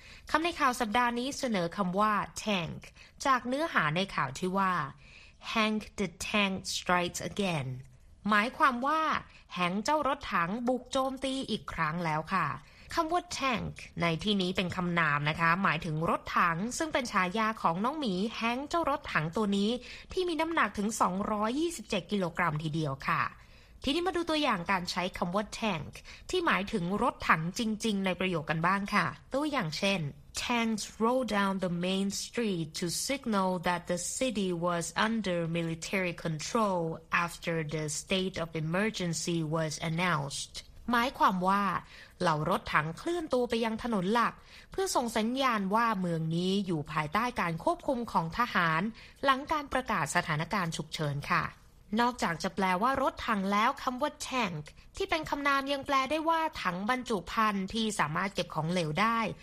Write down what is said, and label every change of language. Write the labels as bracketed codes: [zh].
[th] คำในข่าวสัปดาห์นี้เสนอคำว่า tank จากเนื้อหาในข่าวที่ว่า [en] Hank the Tank Strikes Again [th] หมายความว่าแฮงเจ้ารถถังบุกโจมตีอีกครั้งแล้วค่ะคำว่า Tank ในที่นี้เป็นคำนามนะคะหมายถึงรถถังซึ่งเป็นฉายาของน้องหมีแฮงเจ้ารถถังตัวนี้ที่มีน้ำหนักถึง 227กิโลกรัมทีเดียวค่ะทีนี้มาดูตัวอย่างการใช้คำว่า Tank ที่หมายถึงรถถังจริงๆในประโยคกันบ้างค่ะตัวอย่างเช่น [en] tanks rolled down the main street to signal that the city was under military control after the state of emergency was announced. [th] หมายความว่าเหล่ารถถังเคลื่อนตัวไปยังถนนหลักเพื่อส่งสัญญาณว่าเมืองนี้อยู่ภายใต้การควบคุมของทหารหลังการประกาศสถานการณ์ฉุกเฉินค่ะ นอกจากจะแปลว่ารถถังแล้วคำว่า tank ที่เป็นคำนามยังแปลได้ว่าถังบรรจุภัณฑ์ที่สามารถเก็บของเหลวได้